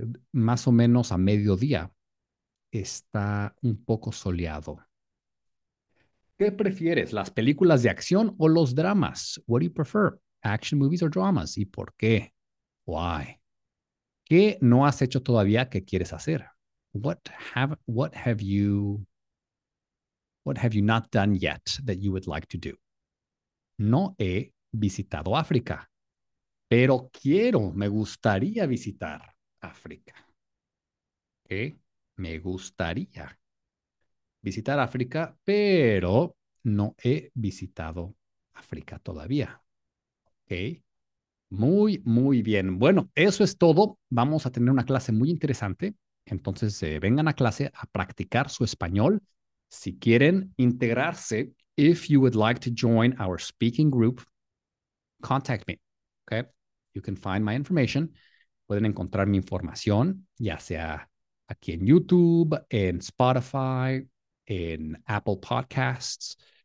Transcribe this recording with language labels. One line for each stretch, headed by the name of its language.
Spanish: Más o menos a mediodía está un poco soleado. ¿Qué prefieres, las películas de acción o los dramas?
English: What do you prefer, action movies or dramas?
Spanish: ¿Y por qué?
English: Why?
Spanish: ¿Qué no has hecho todavía que quieres hacer?
English: What have you not done yet that you would like to do?
Spanish: No he visitado África, pero quiero, me gustaría visitar África. ¿Okay? Me gustaría visitar África, pero no he visitado África todavía. ¿Okay? Muy, muy bien. Bueno, eso es todo. Vamos a tener una clase muy interesante. Entonces, vengan a clase a practicar su español. Si quieren integrarse,
English: if you would like to join our speaking group, contact me. Okay? You can find my information.
Spanish: Pueden encontrar mi información, ya sea aquí en YouTube, en Spotify, en Apple Podcasts.